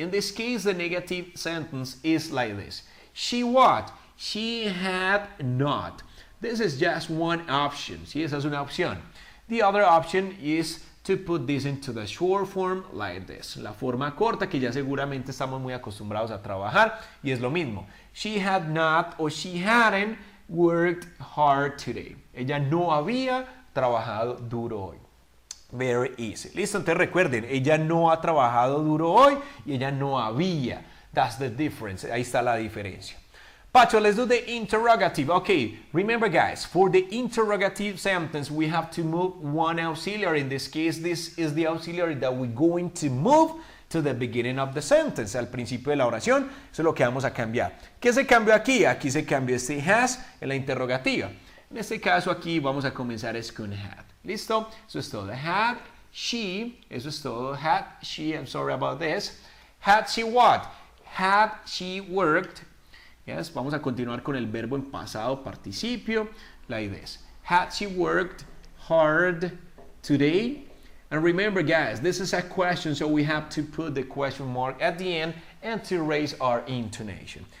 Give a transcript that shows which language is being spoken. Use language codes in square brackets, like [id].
[en] In this case, the negative sentence is like this. She what? She had not. This is just one option. [es] Sí, esa es una opción. [en] The other option is to put this into the short form like this. [es] La forma corta que ya seguramente estamos muy acostumbrados a trabajar y es lo mismo. [en] She had not or she hadn't worked hard today. [es] Ella no había trabajado duro hoy. [en] Very easy. [es] Listo, entonces recuerden, ella no ha trabajado duro hoy y ella no había. [en] That's the difference. [es] Ahí está la diferencia. [en] Pacho, let's do the interrogative. Okay, remember guys, for the interrogative sentence, we have to move one auxiliary. In this case, this is the auxiliary that we're going to move to the beginning of the sentence. [es] Al principio de la oración, eso es lo que vamos a cambiar. ¿Qué se cambió aquí? Aquí se cambió este has en la interrogativa. En este caso aquí vamos a comenzar es con had. ¿Listo? Eso es todo. Had she, eso es todo. [en] Had she, I'm sorry about this. Had she what? Had she worked. [es] Yes, vamos a continuar con el verbo en pasado participio. [en] Like this. Had she worked hard today? And remember guys, this is a question, so we have to put the question mark at the end and to raise our intonation.